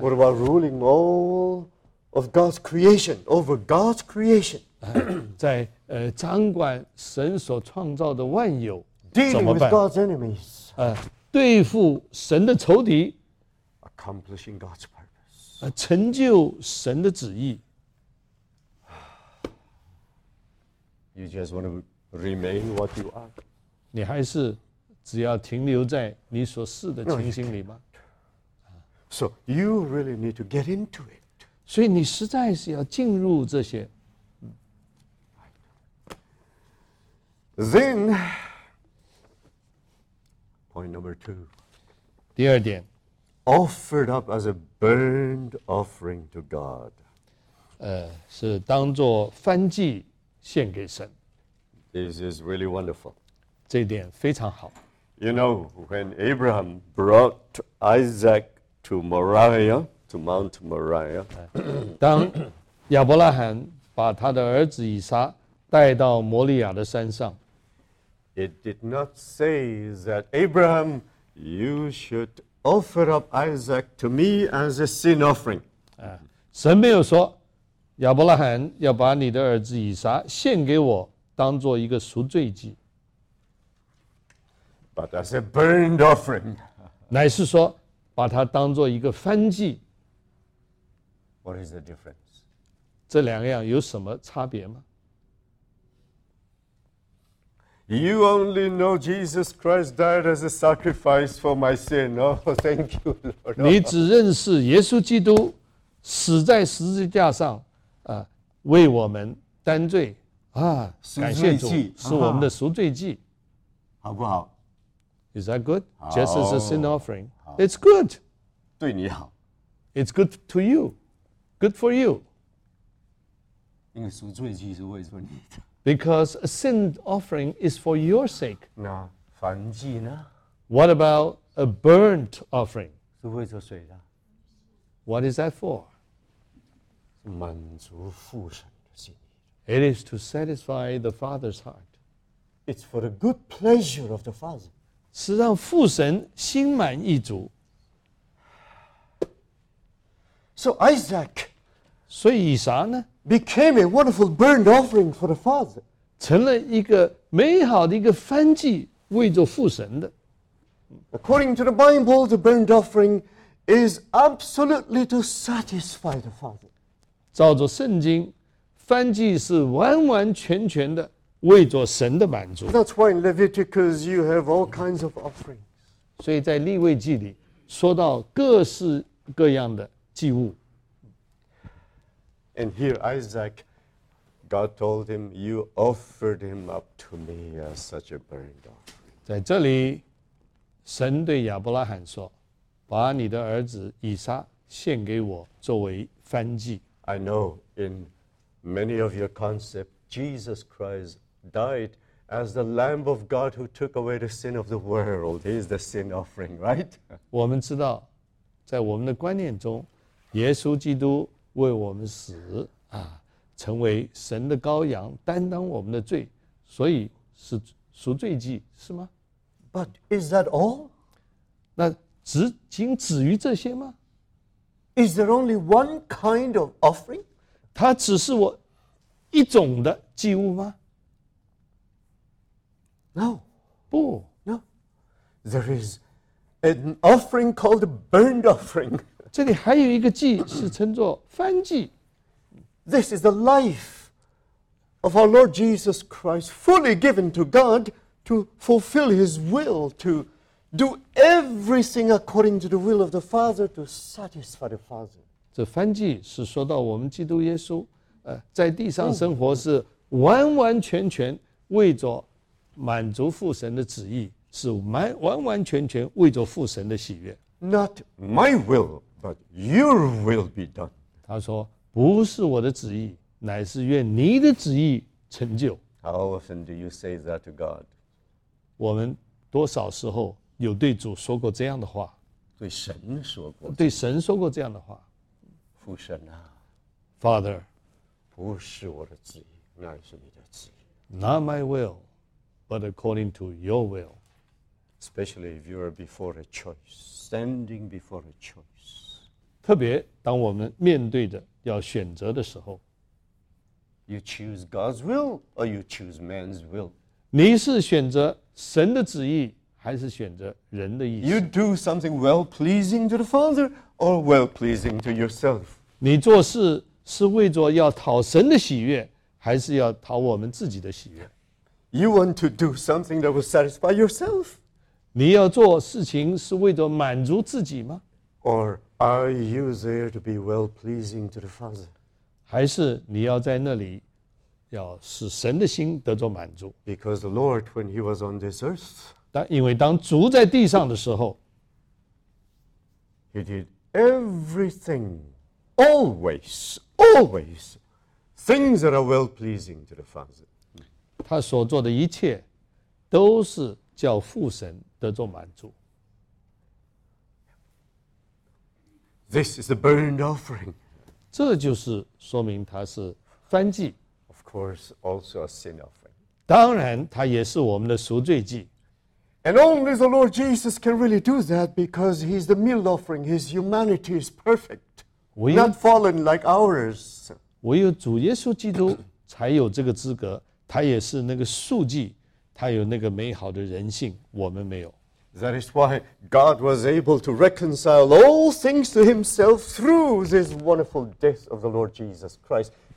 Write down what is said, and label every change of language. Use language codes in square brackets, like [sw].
[en] ？What about ruling all of God's creation over God's creation? [zh] 在掌管神所创造的万有 [en] ，dealing with God's enemies. [zh] 对付神的仇敌 [en] ，accomplishing God's purpose. [zh] 成就神的旨意。 [en] You just want to remain what you are. [zh] 你还是只要停留在你所是的情形里吗 [en] ？So you really need to get into it. [zh] 所以你实在是要进入这些。 [en] Then point number two. [zh] 第二点。 [en] Offered up as a burnt offering to God. [zh] 是当作燔祭献给神。 [en] This is really wonderful. [zh] 这一点非常好。 [en] You know, when Abraham brought Isaac to Moriah, to Mount Moriah, [zh] 当亚伯拉罕把他的儿子以撒带到摩利亚的山上 [en] ，It did not say that Abraham, you should. Offer up Isaac to me as a sin offering. [zh] 神没有说亚伯拉罕要把你的儿子以撒献给我当做一个赎罪祭。 [en] But as a burnt offering. [zh] 乃是说把它当做一个燔祭。 [en] What is the difference? [zh] 这两样有什么差别吗 [en] You only know Jesus Christ died as a sacrifice for my sin. Oh, thank you, Lord. [zh] 你只认识耶稣基督死在十字架上，为我们担罪啊，感谢主，是我们的赎罪祭，好不好 [en] ？Is that good? Just as a sin offering, it's good. [zh] 对你好 [en] ，It's good to you, good for you. [zh] 因为赎罪祭是为着你的。 [en] Because a sin offering is for your sake. [zh] 那燔祭呢？ [en] What about a burnt offering? [zh] 是为着谁的？ [en] What is that for? [zh] 满足父神的心。 [en] It is to satisfy the Father's heart. It's for the good pleasure of the Father. [zh] 是让父神心满意足。 [en] So Isaac, [zh] 所以以撒呢？ [en] Became a wonderful burnt offering for the Father. [zh] 成了一个美好的一个燔祭，为着父神的。 [en] According to the Bible, the burnt offering is absolutely to satisfy the Father. [zh] 照着圣经，燔祭是完完全全的为着神的满足。 [en] That's why in Leviticus you have all kinds of offerings. [zh] 所以在利未记里说到各式各样的祭物。 [en] And here Isaac, God told him, "You offered him up to me as such a burnt offering." [zh] 在这里，神对亚伯拉罕说：“把你的儿子以撒献给我作为燔祭。” [en] I know in many of your concepts, Jesus Christ died as the Lamb of God who took away the sin of the world. He is the sin offering, right? [zh] 我们知道，在我们的观念中，耶稣基督为我们死啊，成为神的羔羊，担当我们的罪，所以是赎罪祭，是吗？ [en] But is that all? [zh] 那仅止于这些吗？ [en] Is there only one kind of offering? [zh] 它只是我一种的祭物吗？ [en] No. [zh] 不。 [en] No. There is an offering called a burnt offering. [zh] 这里还有一个祭是称作燔祭。 [en] This is the life of our Lord Jesus Christ, fully given to God to fulfill His will, to do everything according to the will of the Father, to satisfy the Father. [zh] 这燔祭是说到我们基督耶稣，在地上生活是完完全全为着满足父神的旨意，是完完全全为着父神的喜悦。 [en] Not my will. But your will be done. [zh] 他说不是我的旨意，乃是愿你的旨意成就。 [en] How often do you say that to God? [zh] 我们多少时候有对主说过这样的话？对神说过，对神说过这样的话。父神啊， [en] Father, [zh] 不是我的旨意，乃是你的旨意。 [en] Not my will, but according to your will. Especially if you are before a choice, standing before a choice. [zh] 特别当我们面对着要选择的时候， [en] You choose God's will or you choose man's will? [zh] 你是选择神的旨意还是选择人的意思？ [en] You do something well-pleasing to the Father or well-pleasing to yourself? [zh] 你做事是为着要讨神的喜悦还是要讨我们自己的喜悦？ [en] You want to do something that will satisfy yourself? [zh] 你要做事情是为着满足自己吗？ [en] OrAre you there to be well pleasing to the Father? [zh] 还是你要在那里，要使神的心得着满足？ [en] Because the Lord, when He was on this earth, [zh] 因为当主在地上的时候， [en] He did everything, always, always, things that are well pleasing to the Father. [zh] 他所做的一切，都是叫父神得着满足。 [en] This is a burnt offering. [zh] 这就是说明它是燔祭。 [en] Of course, also a sin offering. [zh] 当然，它也是我们的赎罪祭。 [en] And only the Lord Jesus can really do that because He's the meal offering. His humanity is perfect, not fallen like ours. [zh] 唯有主耶稣基督才有这个资格。他也是那个素祭，他有那个美好的人性，我们没有。 [en] That is why God was able to reconcile all things to Himself through this wonderful death of the Lord Jesus Christ.